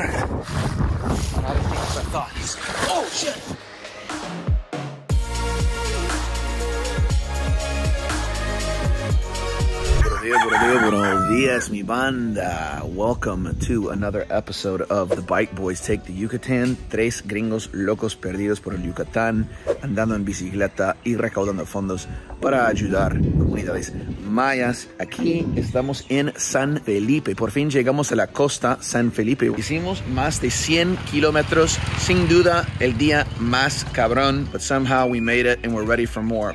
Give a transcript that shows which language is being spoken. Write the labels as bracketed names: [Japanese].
[English] Not as deep as I thought. Oh shit! [Spanish] Buenos días, mi banda. [English] Welcome to another episode of The Bike Boys Take the Yucatan. [Spanish] Tres gringos locos perdidos por el Yucatán, andando en bicicleta y recaudando fondos para ayudar comunidades mayas. Aquí estamos en San Felipe. Por fin llegamos a la costa San Felipe. Hicimos más de 100 kilómetros. Sin duda, el día más cabrón. [English] But somehow we made it and we're ready for more.